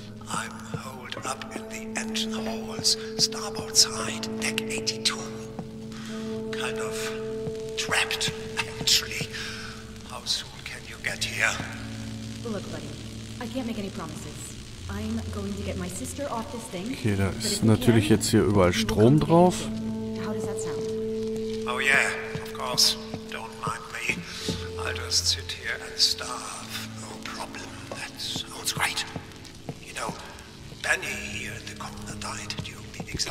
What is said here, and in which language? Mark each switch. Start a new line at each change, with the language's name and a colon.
English: I'm holed up in the engine halls, starboard side, deck 82. Kind of... trapped, actually. How soon can you get here? Look, buddy, I can't make any promises. I'm going to get my sister off this thing.
German: Okay, da ist natürlich jetzt hier überall Strom drauf.
English: How does that sound? Oh yeah, of course. Don't mind me. I'll just sit here and starve. No problem. That sounds great. You know, Benny here in the corner died during the exam.